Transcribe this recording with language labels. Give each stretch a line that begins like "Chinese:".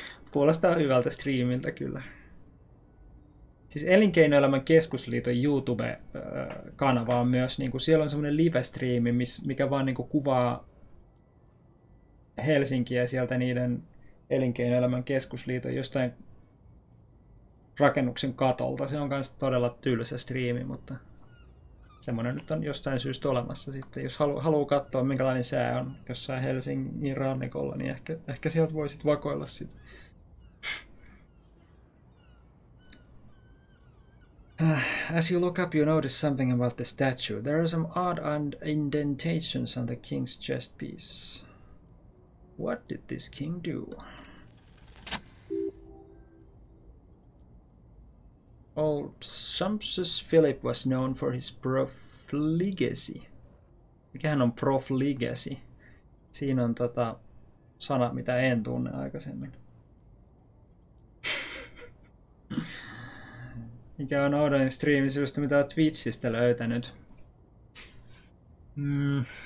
Finnish: Kuulostaa hyvältä striimiltä kyllä. Siis Elinkeinoelämän keskusliiton YouTube-kanava on myös, niin kuin, siellä on semmoinen live-striimi, mikä vaan niin kuin, kuvaa Helsinkiä sieltä niiden Elinkeinoelämän keskusliiton jostain rakennuksen katolta. Se on myös todella tylsä striimi, mutta semmoinen nyt on jostain syystä olemassa sitten. Jos haluaa katsoa, minkälainen sää on jossain Helsingin rannikolla, niin ehkä sieltä voisit vakoilla sitten.
English: As you look up, you notice something about the statue. There are some odd indentations on the king's chest piece. What did this king do? Old Sumptuous Philip was known for his profligacy.
Finnish: Mikähän on profligesi? Siinä on tota sana, mitä en tunne aikaisemmin. Mikä on oudoin striimisivusto, mitä olet Twitchistä löytänyt? Mm.